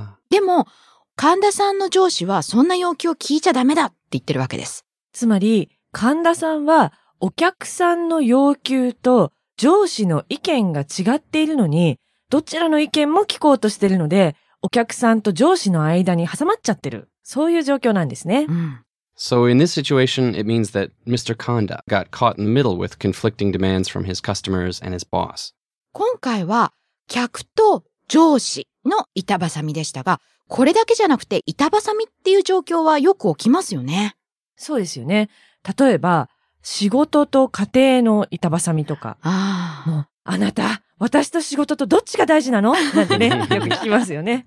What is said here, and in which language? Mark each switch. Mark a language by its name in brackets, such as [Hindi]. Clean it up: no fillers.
[Japanese] でも神田さんの上司はそんな要求を聞いちゃダメだって言ってるわけです。つまり神田さんはお客さんの要求と上司の意見が違っているのに、どちらの意見も聞こうとしているので、お客さんと上司の間に挟まっちゃってる、そういう状況なんですね。うん、 [English] So in this situation, it means that Mr. Kanda got caught in the middle with conflicting demands from his customers and his boss. [Japanese] 今回は客と上司の板挟みでしたが、これだけじゃなくて板挟みっていう状況はよく起きますよね。そうですよね。例えば仕事と家庭の板挟みとか、もうあなた、私と仕事とどっちが大事なのなんてね、よく聞きますよね。